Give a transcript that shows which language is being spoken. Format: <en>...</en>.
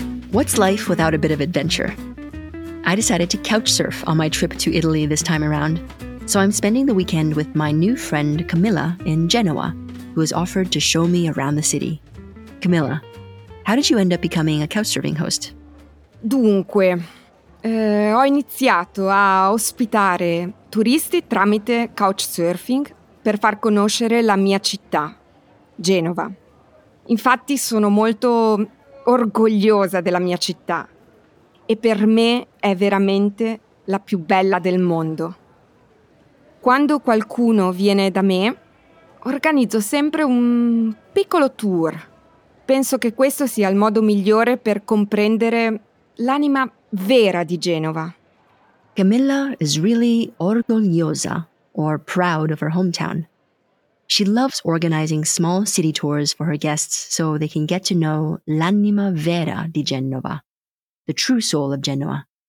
<en>What's life without a bit of adventure? I decided to couch surf on my trip to Italy this time around, so I'm spending the weekend with my new friend Camilla in Genoa, who has offered to show me around the city. Camilla, how did you end up becoming a couchsurfing host?</en> <it>Dunque, ho iniziato a ospitare turisti tramite couchsurfing per far conoscere la mia città, Genova. Infatti sono molto orgogliosa della mia città e per me è veramente la più bella del mondo. Quando qualcuno viene da me, organizzo sempre un piccolo tour. Penso che questo sia il modo migliore per comprendere l'anima vera di Genova.</it> <en>Camilla is really orgogliosa, or proud of her hometown. She loves organizing small city tours for her guests so they can get to know</en> <it>l'anima vera di Genova,</it> <en>the true soul of Genova.</en>